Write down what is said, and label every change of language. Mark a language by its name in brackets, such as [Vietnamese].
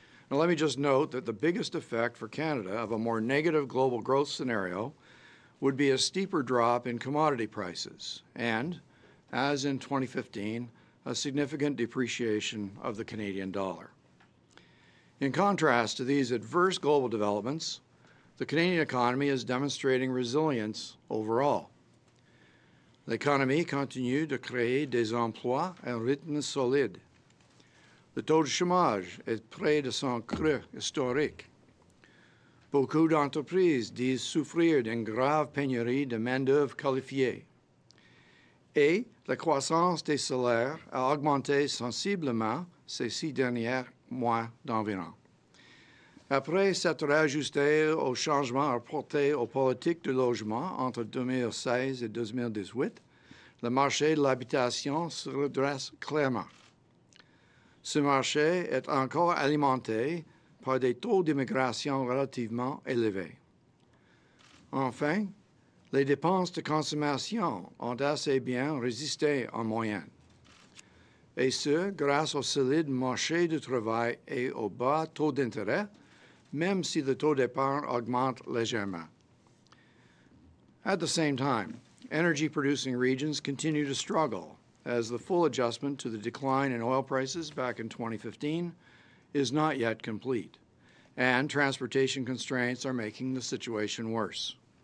[English] Now, let me just note that the biggest effect for Canada of a more negative global growth scenario would be a steeper drop in commodity prices and, as in 2015, a significant depreciation of the Canadian dollar. In contrast to these adverse global developments, the Canadian economy is demonstrating resilience overall. [French] L'économie continue de créer des emplois à un rythme solide. Le taux de chômage est près de son creux historique. Beaucoup d'entreprises disent souffrir d'une grave pénurie de main-d'œuvre qualifiée. Et la croissance des salaires a augmenté sensiblement ces 6 derniers mois d'environ. Après s'être ajusté aux changements apportés aux politiques du logement entre 2016 et 2018, le marché de l'habitation se redresse clairement. Ce marché est encore alimenté par des taux d'immigration relativement élevés. Enfin, les dépenses de consommation ont assez bien résisté en moyenne. Et ce, grâce au solide marché du travail et au bas taux d'intérêt, même si le taux d'épargne augmente légèrement. [English] At the same time, energy-producing regions continue to struggle as the full adjustment to the decline in oil prices back in 2015 is not yet complete, and transportation constraints are making the situation worse.